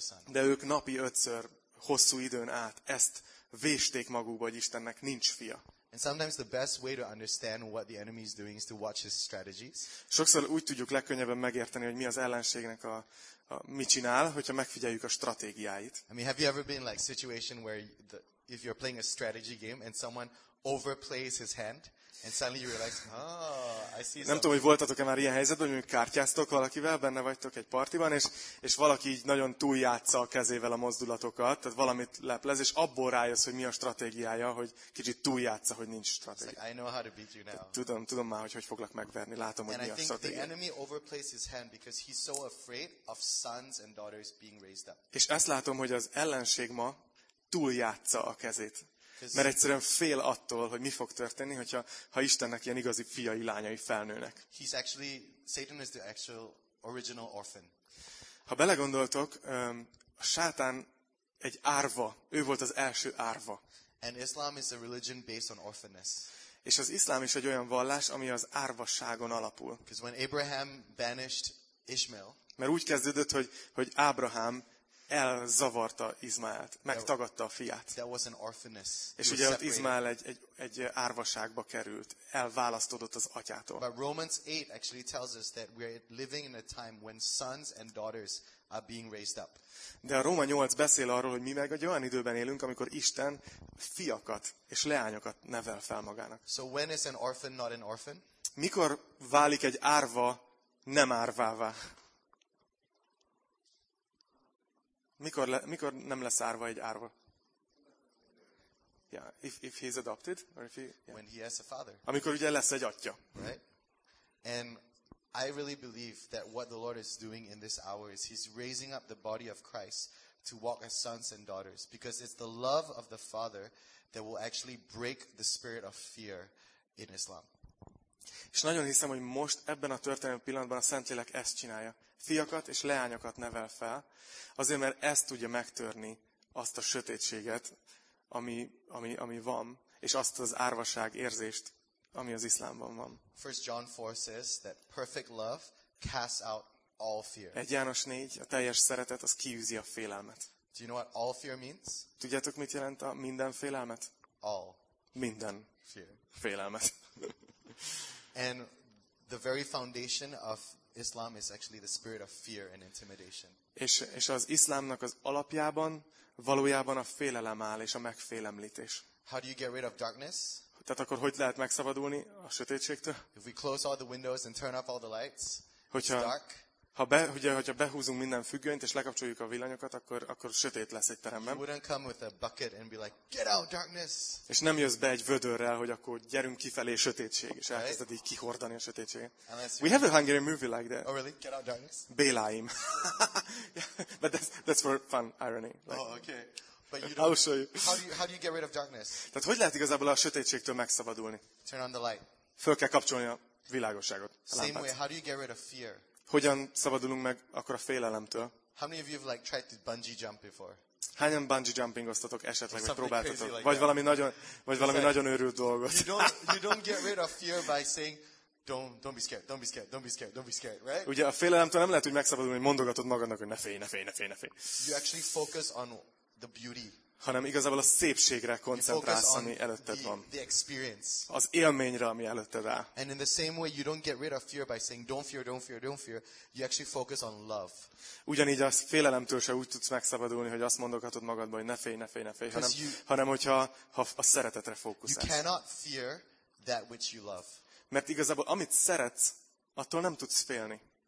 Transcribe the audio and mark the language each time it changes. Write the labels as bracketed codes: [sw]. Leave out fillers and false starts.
[hu] de ők napi ötször, hosszú időn át ezt vésték magukba, hogy Istennek nincs fia. [en] And sometimes the best way to understand what the enemy is doing is to watch his strategies. [hu] Sokszor úgy tudjuk legkönnyebben megérteni, hogy mi az ellenségnek a mit csinál, hogyha megfigyeljük a stratégiáit. [en] I mean, have you ever been like situation where if you're playing a strategy game and someone overplays his hand and suddenly you realize, oh, I see. [hu] Nem tudom, hogy voltatok-e már ilyen helyzetben, hogy kártyáztok valakivel, benne vagytok egy partiban, és valaki így nagyon túljátsza a kezével a mozdulatokat, tehát valamit leplez, és abból rájössz, hogy mi a stratégiája, hogy kicsit túljátsza, hogy nincs stratégia. [en] Like, I know how to beat you now. [hu] Tudom már, hogy foglak megverni, látom, hogy [en] and [hu] mi a stratégia. [en] And I think the enemy overplays his hand because he's so afraid of sons and daughters being raised up. [hu] És ezt látom, hogy az ellenség ma túljátsza a kezét. Mert egyszerűen fél attól, hogy mi fog történni, ha Istennek ilyen igazi fiai, lányai felnőnek. [en] He's actually, Satan is the actual original orphan. [hu] Ha belegondoltok, a sátán egy árva, ő volt az első árva. [en] And Islam is a religion based on orphanness. [hu] És az iszlám is egy olyan vallás, ami az árvasságon alapul. [en] Because when Abraham banished Ishmael, [hu] mert úgy kezdődött, hogy Ábrahám elzavarta Izmaelt, megtagadta a fiát. [en] That was an orphaness. [hu] És ugye ott Izmael egy árvaságba került, elválasztódott az atyától. [en] But Romans 8 actually tells us that we are living in a time when sons and daughters are being raised up. [hu] De a Róma 8 beszél arról, hogy mi meg egy olyan időben élünk, amikor Isten fiakat és leányokat nevel fel magának. [en] So when is an orphan not an orphan? [hu] Mikor válik egy árva nem árvává? Mikor nem lesz árva egy árva? [en] Yeah, if he's adopted or if he. Yeah. When he has a father. [hu] Amikor ugye lesz egy atya. [en] Right. And I really believe that what the Lord is doing in this hour is he's raising up the body of Christ to walk as sons and daughters because it's the love of the Father that will actually break the spirit of fear in Islam. [hu] És nagyon hiszem, hogy most ebben a történelmi pillanatban a Szentlélek ezt csinálja. Fiakat és leányokat nevel fel, azért mert ezt tudja megtörni azt a sötétséget, ami van, és azt az árvaság érzést, ami az iszlámban van. [en] 1 John 4 says that perfect love casts out all fear. [hu] 1 János 4, a teljes szeretet az kiűzi a félelmet. [en] Do you know what all fear means? [hu] Tudjátok, mit jelent a minden félelmet? [en] All. [hu] Minden [en] fear. [hu] Félelmet. [en] And the very foundation of Islam is actually the spirit of fear and intimidation. [hu] És az iszlámnak az alapjában valójában a félelem áll és a megfélemlítés. [en] How do you get rid of darkness? [hu] Tehát akkor hogy lehet megszabadulni a sötétségtől? [en] If we close all the windows and turn off all the lights, [hu] hogyha, [en] it's dark. [hu] Hogyha behúzunk minden függönyt és lekapcsoljuk a villanyokat, akkor sötét lesz egy teremben. [en] You wouldn't come with a bucket and be like, get out darkness. [hu] És nem jössz be egy vödörrel, hogy akkor gyerünk kifelé sötétség, és elkezded így kihordani a sötétséget. [en] We have a Hungarian movie like that. Oh really? Get out darkness. Béláim. Yeah, but that's for fun irony. Like, oh okay. But you don't. I'll show you. How do you get rid of darkness? [hu] Tehát hogy lehet igazából a sötétségtől megszabadulni? [en] Turn on the light. [hu] Föl kell kapcsolni a világosságot. [en] A same way. How do you get rid of fear? [hu] Hogyan szabadulunk meg akkor a félelemtől? [en] How many of you have like tried to bungee jump before? [hu] Hányan bungee jumpingoztatok esetleg, vagy próbáltatok? Like vagy that. Valami nagyon, vagy valami like, nagyon őrült dolgot. [en] You don't get rid of fear by saying don't be scared, right? [hu] Ugye a félelemtől nem lehet úgy megszabadulni, hogy mondogatod magadnak, hogy ne félj. You actually focus on the beauty. Hanem igazából a szépségre koncentrálsz, ami előtted van. Az élményre, ami előtted áll. [en] And in the same way, you don't get rid of fear by saying don't fear, you actually focus on love. [hu] Ugyanígy a félelemtől se úgy tudsz megszabadulni, hogy azt mondogatod magadban, hogy ne félj, hanem hogyha a szeretetre fókuszálsz. [en] You cannot fear that which you love. [hu] Mert igazából amit szeretsz, attól nem tudsz félni.